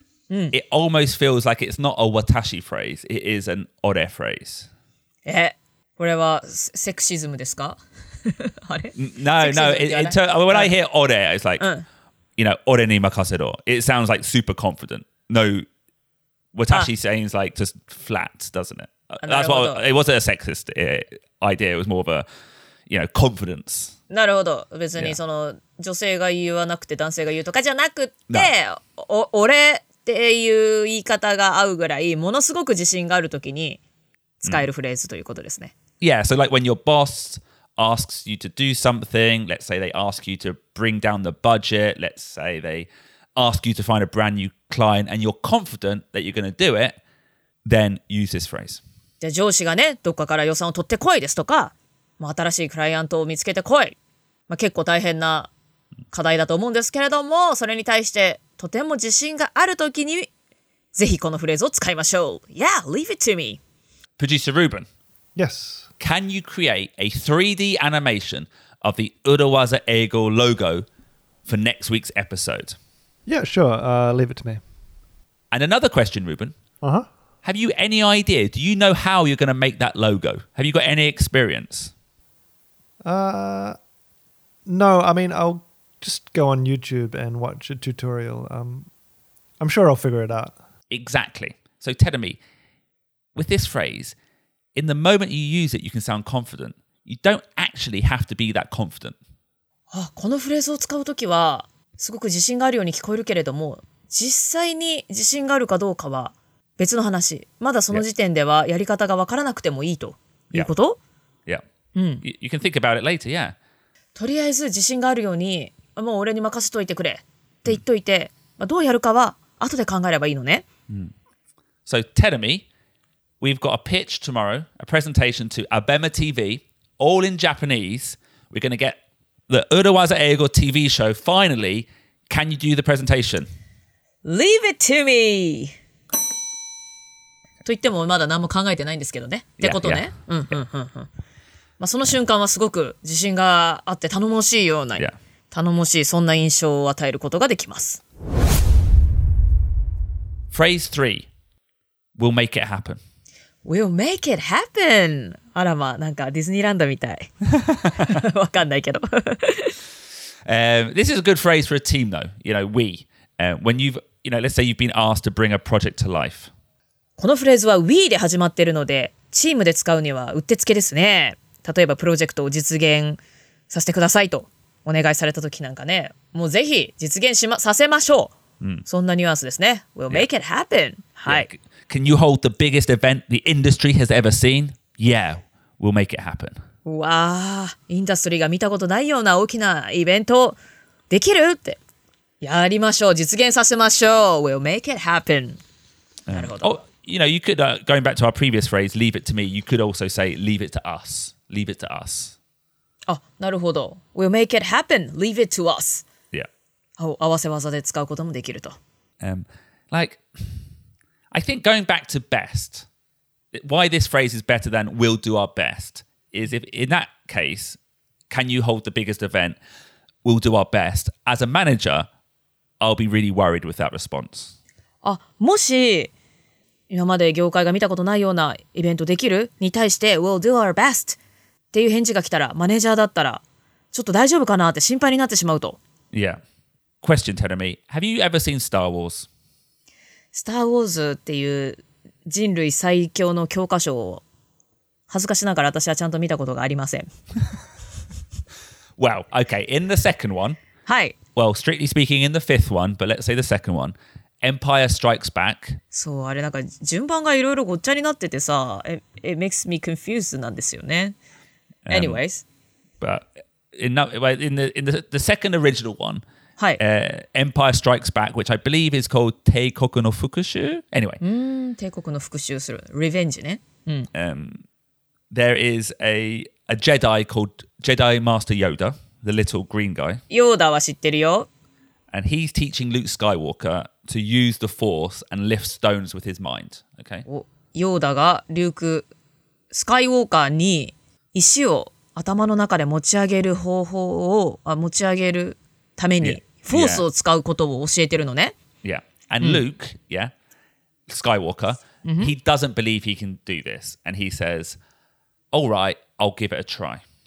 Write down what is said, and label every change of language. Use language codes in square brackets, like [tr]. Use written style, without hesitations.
[en] It almost feels like it's not a watashi phrase. It is an ore phrase. [ja] これはセクシズムですか？あれ？ [en] No. When I hear ore, it's like, you know, [ja] ore ni makasero. [en] It sounds like super confident. No, watashi sounds like just flat, doesn't it? That's what it wasn't a sexist idea. It was more of a, you know, confidence. [ja] なるほど。別にその女性が言わなくて男性が言うとかじゃなくて、俺っていう言い方が合うぐらいものすごく自信があるときに使えるフレーズということですね。 [en] Yeah, so like when your boss asks you to do something, let's say they ask you to bring down the budget, let's say they ask you to find a brand new client and you're confident that you're going to do it, then use this phrase. [ja] じゃあ上司がね、どっかから予算を取ってこいですとか、まあ、新しいクライアントを見つけてこい。まあ、結構大変な課題だと思うんですけれども、それに対してとても自信があるときにぜひこのフレーズを使いましょう。 [en] Yeah, leave it to me. Producer Ruben. Yes. Can you create a 3D animation of the Urawaza Eigo logo for next week's episode? Yeah, sure. Leave it to me. And another question, Ruben. Uh-huh. Have you any idea? Do you know how you're going to make that logo? Have you got any experience? No, I mean, I'll... Just go on YouTube and watch a tutorial. I'm sure I'll figure it out. Exactly. So, Tedemi, with this phrase, in the moment you use it, you can sound confident. You don't actually have to be that confident. [ja] Ah, このフレーズを使うときはすごく自信があるように聞こえるけれども、実際に自信があるかどうかは別の話。まだその時点ではやり方がわからなくてもいいということ [en] Yeah. Yeah. You can think about it later, yeah. [ja] とりあえず自信があるようにもう俺に任せといてくれって言っといて、どうやるかは後で考えればいいのね。 [en] So tell me, we've got a pitch tomorrow, a presentation to ABEMA TV, all in Japanese. We're going to get the Urawaza Eigo TV show finally Can you do the presentation? Leave it to me! [ja] と言ってもまだ何も考えてないんですけどね。ってことね。まあ、その瞬間はすごく自信があって頼もしいような、頼もしいそんな印象を与えることができます。 [en] Phrase 3. We'll make it happen. We'll make it happen! [ja] あらまあ、なんかディズニーランドみたい。わかんないけど。 [en] This is a good phrase for a team, though. You know, we. When you've, you know, let's say you've been asked to bring a project to life. [ja] このフレーズは we で始まっているので、チームで使うにはうってつけですね。例えばプロジェクトを実現させてくださいとお願いされた時なんかね、もうぜひ実現しま、させましょう。そんなニュアンスですね。 [en] We'll make it happen. [ja] はい。 [en] Can you hold the biggest event the industry has ever seen? Yeah, we'll make it happen. [ja] わあ、インダストリーが見たことないような大きなイベントできるって。やりましょう。実現させましょう。 [en] We'll make it happen. [ja] なるほど。 [en] You know, you could, going back to our previous phrase, leave it to me, you could also say, leave it to us. Leave it to us. [ja] あ、なるほど。 [en] We'll make it happen. Leave it to us. Yeah. [ja] 合わせ技で使うこともできると。 [en] Like, I think going back to best, why this phrase is better than we'll do our best, is if in that case, can you hold the biggest event, we'll do our best. As a manager, I'll be really worried with that response. [ja] あ、もし、今まで業界が見たことないようなイベントできるに対して [en] We'll do our best [ja] っていう返事が来たらマネージャーだったらちょっと大丈夫かなって心配になってしまうと [en] Yeah Question tell me Have you ever seen Star Wars? [ja] Star Wars っていう人類最強の教科書を恥ずかしながら私はちゃんと見たことがありません [en] Well, okay, in the second one [ja] はい [en] Well, strictly speaking in the fifth one But let's say the second oneEmpire Strikes Back. [ja] そう、あれなんか順番がいろいろごっちゃになっててさ、 [en] it makes me confused [ja] なんですよね。 [en] Anyways. But in the second original one,、 [ja] はい [en] Empire Strikes Back, which I believe is called [ja] 帝国の復讐 [en] Anyway. [ja] 帝国の復讐する。Revenge ね。 [en] There is a Jedi called Jedi Master Yoda, the little green guy. [ja] Yoda は知ってるよ。 [en] And he's teaching Luke Skywalker... To use the force and lift stones with his mind. Okay. [ja] ヨーダがリュークスカイウォーカーに石を頭の中で持ち上げる方法を持ち上げるためにフォースを使うことを教えてるのね。 [en] Yeah. And Luke, yeah, Skywalker, he doesn't believe he can do this, and he says, "All right, I'll give it a try."